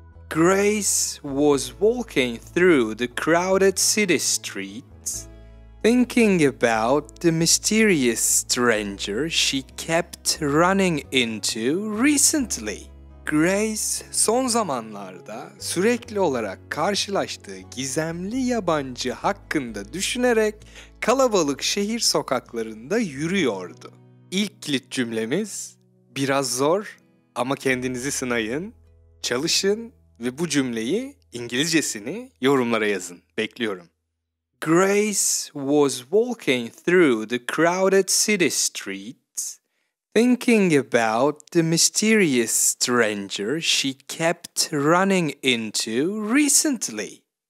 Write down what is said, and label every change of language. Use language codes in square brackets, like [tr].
[en] Grace was walking through the crowded city streets, thinking about the mysterious stranger she kept running into recently. [tr] Grace, son zamanlarda sürekli olarak karşılaştığı gizemli yabancı hakkında düşünerek kalabalık şehir sokaklarında yürüyordu. İlk kilit cümlemiz biraz zor ama kendinizi sınayın, çalışın ve bu cümleyi, İngilizcesini yorumlara yazın. Bekliyorum. [en] Grace was walking through the crowded city streets, thinking about the mysterious stranger she kept running into recently.